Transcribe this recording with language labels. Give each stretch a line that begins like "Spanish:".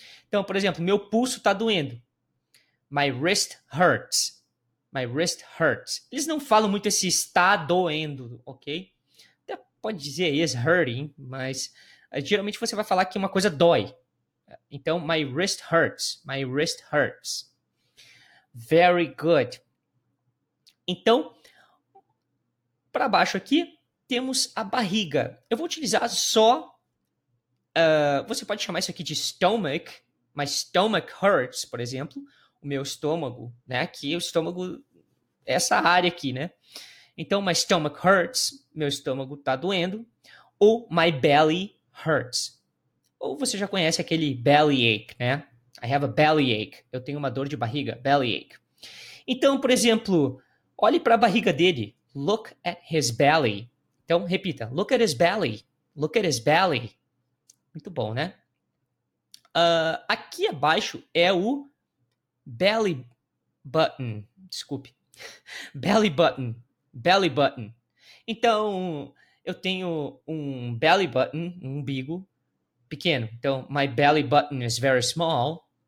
Portuguese: Então, por exemplo, meu pulso tá doendo.
English: My wrist hurts. My wrist hurts.
Portuguese: Eles não falam muito esse está doendo, ok? Até pode dizer
English: is hurting,
Portuguese: mas geralmente você vai falar que uma coisa dói.
English: Então, my wrist hurts. My wrist hurts. Very good. Então,
Portuguese: Para baixo aqui, temos a barriga. Eu vou utilizar só... você pode chamar isso aqui de stomach, mas
English: stomach hurts,
Portuguese: por exemplo. O meu estômago, né? Aqui o estômago é essa área aqui, né? Então,
English: my stomach hurts,
Portuguese: meu estômago tá doendo. Ou
English: my belly hurts.
Portuguese: Ou você já conhece aquele belly ache, né?
English: I have a belly ache.
Portuguese: Eu tenho uma dor de barriga, belly ache. Então, por exemplo, olhe para a barriga dele.
English: Look at his belly.
Portuguese: Então, repita.
English: Look at his belly. Look at his belly.
Portuguese: Muito bom, né? Aqui abaixo é o belly button. Desculpe. Belly button. Belly button. Então, eu tenho um belly button, um umbigo pequeno.
English: Então, my belly button is very small.